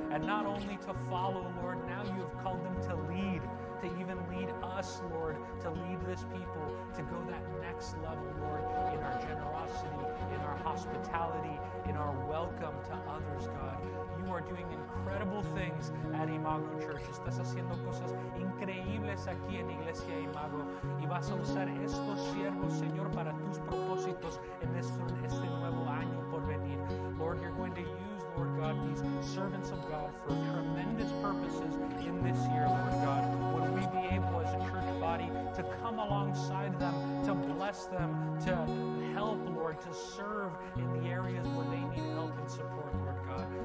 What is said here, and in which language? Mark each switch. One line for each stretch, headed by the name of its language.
English: And not only to follow, Lord, now you have called them to lead, to even lead us, Lord, to lead this people, to go that next level, Lord, in our generosity, in our hospitality, in our welcome to others, God. You are doing incredible things at Imago Church.
Spanish: Estás haciendo cosas increíbles aquí en Iglesia Imago. Y vas a usar estos siervos, Señor, para tus propósitos en este nuevo año por venir.
English: Lord, you're going to use, Lord God, these servants of God for tremendous purposes in this year, Lord God. Would we be able as a church body to come alongside them, to bless them, to help, Lord, to serve in the areas where they need help and support, Lord God.